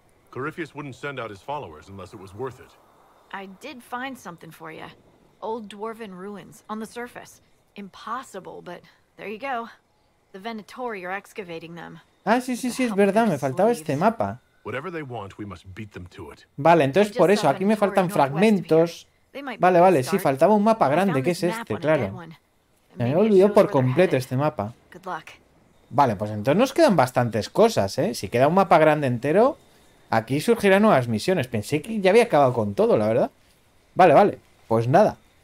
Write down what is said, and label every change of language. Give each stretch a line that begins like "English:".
English: Corypheus wouldn't send out his followers unless it was worth it. I did find something for you. Old dwarven ruins on the surface. Impossible, but there you go. The Venatori are excavating them.
Spanish: Ah, sí, es verdad, me faltaba este mapa.
English: Whatever they want, we must beat them to it.
Spanish: Vale, entonces por eso aquí me faltan fragmentos. Vale, sí, faltaba un mapa grande, que es este, claro. Me he olvidado por completo este mapa. Vale, pues entonces nos quedan bastantes cosas, ¿eh? Si queda un mapa grande entero, aquí surgirán nuevas misiones. Pensé que ya había acabado con todo, la verdad. Vale, pues nada.